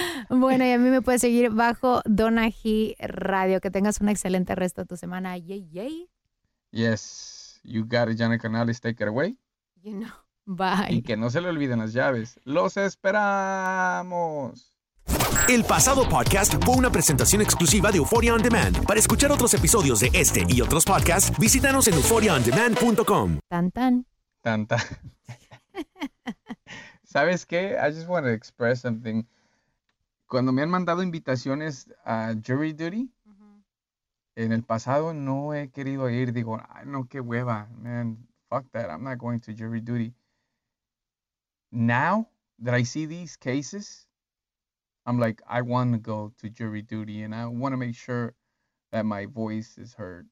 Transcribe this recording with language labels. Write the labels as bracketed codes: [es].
[es] Bueno, y a mí me puedes seguir bajo Donna G Radio. Que tengas un excelente resto de tu semana. Yay, yay. [en] Yes, you got it, Janet Canales. Take it away. You know, bye. [es] Y que no se le olviden las llaves. ¡Los esperamos! El pasado podcast fue una presentación exclusiva de Euphoria On Demand. Para escuchar otros episodios de este y otros podcasts, visítanos en euphoriaondemand.com. Tan tan. Tan tan. ¿Sabes qué? [en] I just want to express something. [es] Cuando me han mandado invitaciones a jury duty, en el pasado no he querido ir. Digo, ay, no, qué hueva. [en] Man, fuck that. I'm not going to jury duty. Now that I see these cases, I'm like, I want to go to jury duty and I want to make sure that my voice is heard.